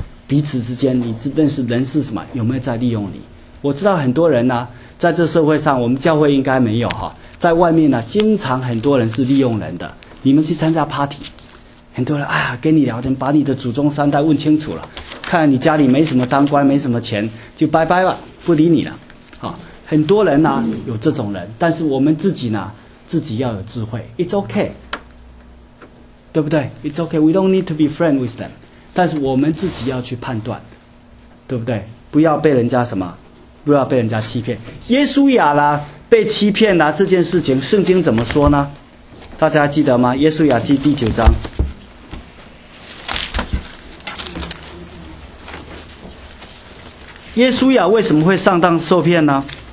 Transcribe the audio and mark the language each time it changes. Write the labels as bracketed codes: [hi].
[zh] 彼此之间，你认识人是什么？有没有在利用你？我知道很多人呢，啊，在这社会上，我们教会应该没有哈，在外面呢，经常很多人是利用人的。你们去参加 party， 很多人哎呀，跟你聊天，把你的祖宗三代问清楚了，看你家里没什么当官，没什么钱，就拜拜吧，不理你了。啊，很多人呢，啊，有这种人，但是我们自己呢，自己要有智慧。 [en] It's okay， [zh] 对不对 [en] ？It's okay， we don't need to be friend with them。 [zh] 但是我们自己要去判断，对不对？不要被人家什么，不要被人家欺骗。耶稣亚啦，被欺骗了这件事情，圣经怎么说呢？大家记得吗？耶稣雅记第九章，耶稣雅为什么会上当受骗呢？